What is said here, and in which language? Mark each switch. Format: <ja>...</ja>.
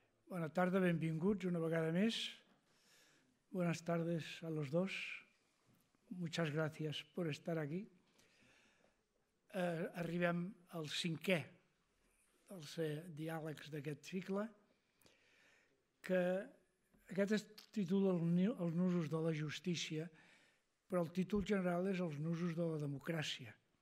<ca>Bona tarda, benvinguts una vegada més.</ca> <es>Buenas tardes a los dos. Muchas gracias por estar aquí.</es> <ca>Arribem al cinquè dels diàlegs d'aquest cicle, que aquest es titula Els nusos de la justícia, però el títol general és Els nusos de la democràcia.</ca>